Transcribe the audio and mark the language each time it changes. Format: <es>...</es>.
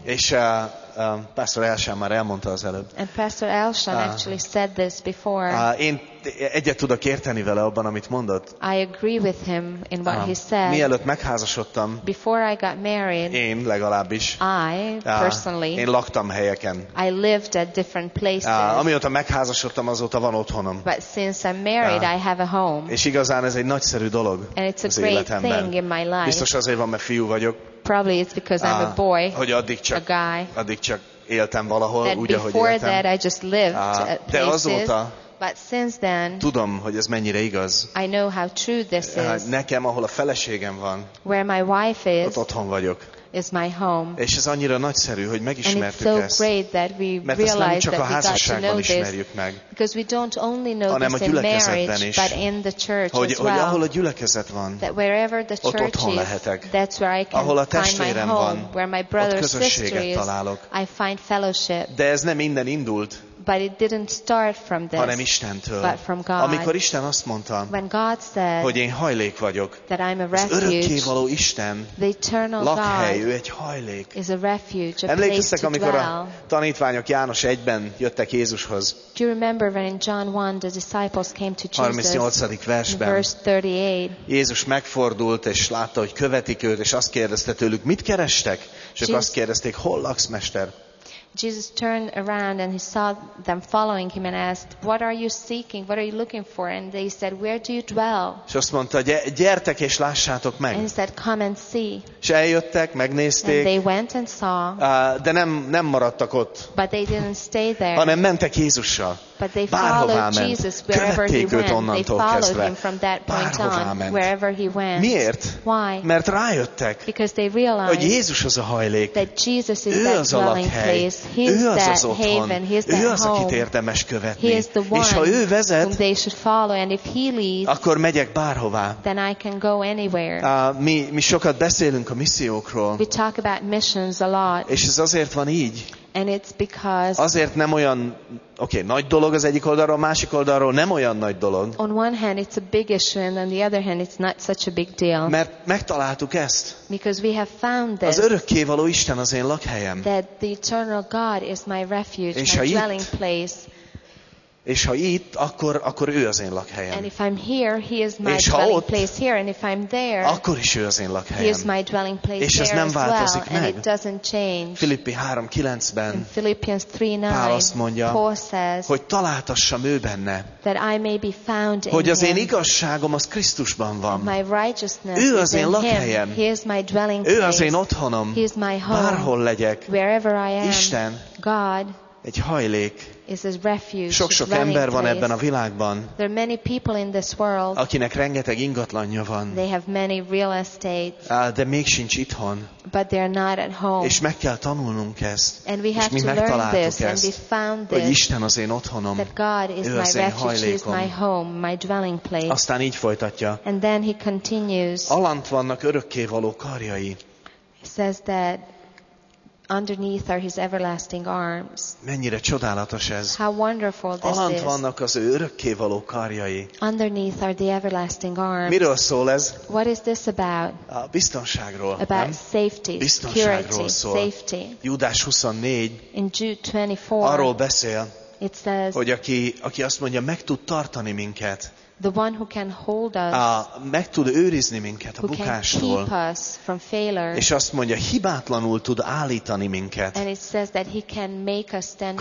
<hu>És Pastor Elsham már elmondta az előbb.</hu> <en>And Pastor Elsham actually said this before.</en> <hu>Én egyet tudok érteni vele abban, amit mondott.</hu> <en>I agree with him in what he said.</en> <hu>Mielőtt megházasodtam,</hu> <en>before I got married,</en> <hu>én legalábbis,</hu> <en>I personally,</en> <hu>én laktam helyeken.</hu> <en>I lived at different places.</en> <hu>Amióta megházasodtam, azóta van otthonom.</hu> <en>But since I'm married, I have a home.</en> <hu>És igazán ez egy nagyszerű dolog.</hu> <en>And it's a</en> <hu>az</hu> <en>great</en> <hu>életemben.</hu> <en>Thing in my life.</en> <hu>Biztos azért van, mert fiú vagyok.</hu> <en>Probably it's because I'm a boy,</en> <hu>hogy addig csak,</hu> <en>a guy,</en> <hu>addig csak éltem valahol,</hu> <en>that</en> <hu>úgy, ahogy</hu> <en>before</en> <hu>éltem.</hu> <en>That I just lived at places.</en> <hu>De azóta,</hu> <en>but since then,</en> <hu>tudom, hogy ez mennyire igaz.</hu> <en>I know how true this is.</en> <hu>Nekem, ahol a feleségem van,</hu> <en>where my wife is,</en> <hu>ott otthon vagyok.</hu> <en>Is my home.</en> <hu>És ez annyira nagyszerű, hogy megismertük</hu> <en>so</en> <hu>ezt. Mert ezt nem csak a házasságban ismerjük meg,</hu> <en>because we don't only know</en> <hu>hanem</hu> <en>this</en> <hu>a gyülekezetben</hu> <en>in marriage,</en> <hu>is.</hu> <en>But in the church</en> <hu>hogy,</hu> <en>as well.</en> <hu>Hogy ahol a gyülekezet van,</hu> <en>that wherever the church</en> <hu>ott otthon lehetek.</hu> <en>Is, that's where I can</en> <hu>ahol a testvérem</hu> <en>find my home,</en> <hu>van, ott közösséget találok.</hu> <en>I find fellowship.</en> <hu>De ez nem innen indult,</hu> <en>but it didn't start from this,</en> <hu>hanem Istentől.</hu> <en>But from God.</en> <hu>Amikor Isten azt mondta,</hu> <en>when God said,</en> <hu>hogy én hajlék vagyok,</hu> <en>that I'm a refuge,</en> <hu>az örökkévaló Isten,</hu> <en>the eternal</en> <hu>lakhely,</hu> <en>God,</en> <hu>ő egy hajlék.</hu> <en>Is a refuge, a</en> <hu>emlékeztek,</hu> <en>place to</en> <hu>amikor</hu> <en>dwell.</en> <hu>A tanítványok János 1-ben jöttek Jézushoz?</hu> <en>Do you remember when in John 1 the disciples came to Jesus?</en> <hu>38. versben.</hu> <en>Verse 38.</en> <hu>Jézus megfordult és látta, hogy követik őt, és azt kérdezte tőlük, mit kerestek? És ők azt kérdezték, hol laksz, mester?</hu> <en>Jesus turned around and he saw them following him and asked, what are you seeking? What are you looking for? And they said, where do you dwell?</en> <hu>És azt mondta, gyertek és lássátok meg.</hu> <en>And he said, come and see.</en> <hu>És eljöttek, megnézték.</hu> <en>And they went and saw.</en> <hu>De nem maradtak ott.</hu> <en>But they didn't stay there.</en> <hu>Hanem mentek Jézussal.</hu> <en>But they followed Jesus wherever he went. They followed him from that point on, wherever he went.</en> <hu>Miért?</hu> <en>Why?</en> <hu>Mert rájöttek,</hu> <en>because they realized,</en> <hu>hogy Jézus az a hajlék.</hu> <en>That Jesus is that dwelling place. He is that haven. He is that home.</en> <hu>Ő az, akit érdemes követni.</hu> <en>He is the one.</en> <hu>És ha ő vezet,</hu> <en>whom they should follow. And if he leads,</en> <hu>akkor megyek bárhová.</hu> <en>Then I can go anywhere.</en> <hu>Mi sokat beszélünk a missziókról.</hu> <en>We talk about missions a lot.</en> <hu>És ez azért van így.</hu> <en>And it's because,</en> <hu>azért nem olyan, oké, nagy dolog az egyik oldalról, a másik oldalról nem olyan nagy dolog.</hu> <en>On one hand it's a big issue and on the other hand it's not such a big deal.</en> <hu>Mert megtaláltuk ezt.</hu> <en>Because we have found this.</en> <hu>Az örökkévaló Isten az én lakhelyem.</hu> <en>That the eternal God is my refuge,</en> <hu>és</hu> <en>my dwelling place.</en> <hu>És ha itt, akkor ő az én lakhelyem.</hu> <en>And if I'm here, he is my dwelling place here. And if I'm there,</en> <hu>akkor is ő az én lakhelyem.</hu> <en>He is my dwelling place there.</en> <hu>És ez nem változik</hu> <en>meg. And it doesn't change.</en> <hu>Filippi 3:9-ben Pál azt mondja,</hu> <en>Paul says,</en> <hu>hogy találtassam ő benne,</hu> <en>that I may be found in</en> <hu>hogy az</hu> <en>him.</en> <hu>Én igazságom az Krisztusban van.</hu> <en>My righteousness</en> <hu>ő az én lakhelyem.</hu> <en>He is my dwelling</en> <hu>place. Ő az én otthonom.</hu> <en>He is my home.</en> <hu>Bárhol legyek.</hu> <en>Wherever I am.</en> <hu>Isten.</hu> <en>God.</en> <hu>Egy hajlék.</hu> <en>Is a refuge.</en> <hu>Sok-sok ember van ebben a világban.</hu> <en>There are many people in this world.</en> <hu>Akinek rengeteg ingatlanja van.</hu> <en>They have many real estates.</en> <hu>De még sincs itthon.</hu> <en>But they are not at home.</en> <hu>És meg kell tanulnunk ezt.</hu> <en>And we have</en> <hu>és mi</hu> <en>to</en> <hu>megtaláltuk</hu> <en>learn</en> <hu>ezt,</hu> <en>and we found this,</en> <hu>hogy Isten az én otthonom.</hu> <en>That God is</en> <hu>ő</hu> <en>my refuge,</en> <hu>hajlékom.</hu> <en>He is my home, my dwelling place.</en> <hu>Aztán így folytatja.</hu> <en>And then he continues.</en> <hu>Alant vannak örökkévaló karjai.</hu> <en>He says that underneath are his everlasting arms.</en> <hu>Mennyire csodálatos ez.</hu> <en>How wonderful this is.</en> <hu>Alant vannak az ő örökkévaló karjai.</hu> <en>Underneath are the everlasting arms.</en> <hu>Miről szól ez?</hu> <en>What is this about?</en> <hu>A biztonságról.</hu> <en>About</en> <hu>nem?</hu> <en>Safety.</en> <hu>Biztonságról</hu> <en>purity,</en> <hu>szól.</hu> <en>Safety.</en> <hu>Júdás 24.</hu> <en>In Jude 24.</en> <hu>Arról beszél.</hu> <en>It says,</en> <hu>hogy aki azt mondja, meg tud tartani minket.</hu> <en>The one who can hold us,</en> <hu>meg tud őrizni minket a bukástól,</hu> <en>who can keep us from failure,</en> <hu>és azt mondja, hibátlanul tud állítani minket.</hu> <en>And it says that he can make us stand perfect.</en>